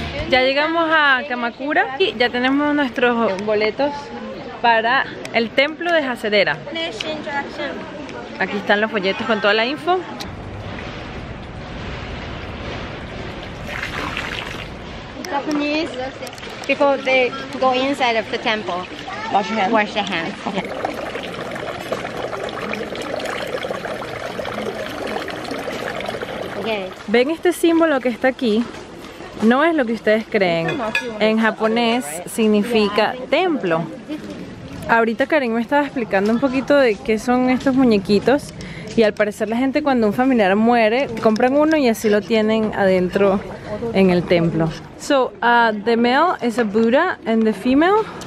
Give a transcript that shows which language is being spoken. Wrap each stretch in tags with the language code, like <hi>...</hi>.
<es>Ya llegamos a Kamakura y ya tenemos nuestros boletos para el templo de Hasedera. Aquí están los folletos con toda la info.</es> <en>Japanese people, they go inside of the temple. Wash your hands. Wash your hands. Okay.</en> <es>Ven este símbolo que está aquí. No es lo que ustedes creen. En japonés significa templo. Ahorita Karen me estaba explicando un poquito de qué son estos muñequitos. Y al parecer la gente, cuando un familiar muere, compran uno y así lo tienen adentro en el templo.</es> <en>So, the male is a Buddha and the female?</en>